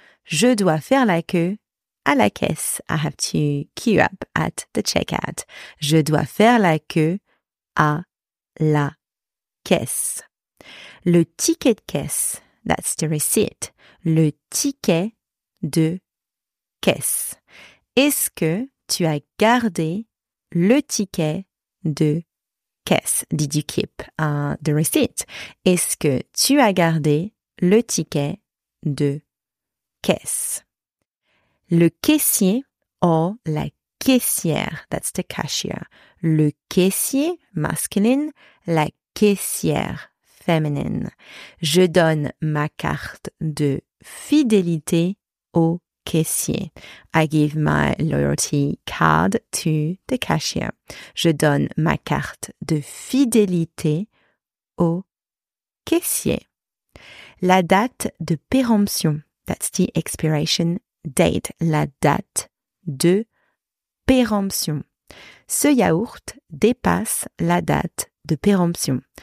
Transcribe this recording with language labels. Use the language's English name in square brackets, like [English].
[French] Je dois faire la queue à la caisse. [English] I have to queue up at the checkout. [French] Je dois faire la queue à la caisse. Le ticket de caisse, [English] that's the receipt, [French] le ticket de caisse. Est-ce que tu as gardé le ticket de caisse? [English] Did you keep the receipt? [French] Est-ce que tu as gardé le ticket de caisse? Le caissier, or la caissière, [English] that's the cashier. [French] Le caissier, masculine, la caissière. Feminine. Je donne ma carte de fidélité au caissier. [English] I give my loyalty card to the cashier. [French] Je donne ma carte de fidélité au caissier. La date de péremption. [English] That's the expiration date. [French] La date de péremption. Ce yaourt dépasse la date de péremption.